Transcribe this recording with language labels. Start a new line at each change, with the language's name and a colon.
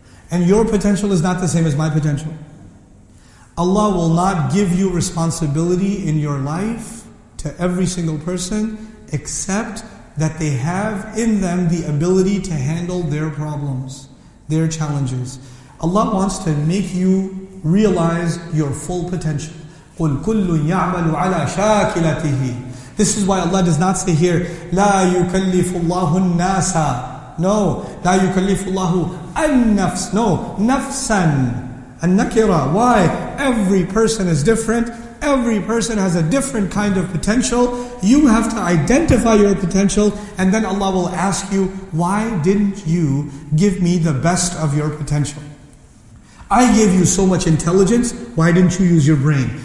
English: And your potential is not the same as my potential. Allah will not give you responsibility in your life to every single person except that they have in them the ability to handle their problems, their challenges. Allah wants to make you realize your full potential.
Arabic: قُلْ كُلٌّ يَعْمَلُ عَلَى شَاكِلَتِهِ.
English: This is why Allah does not say here,
Arabic: لَا يُكَلِّفُ اللَّهُ النَّاسَ. No, لَا يُكَلِّفُ اللَّهُ النَّفْسَ. No, نَفْسًا النَّكِرَ.
English: Why? Every person is different. Every person has a different kind of potential. You have to identify your potential, and then Allah will ask you, why didn't you give me the best of your potential? I gave you so much intelligence, why didn't you use your brain?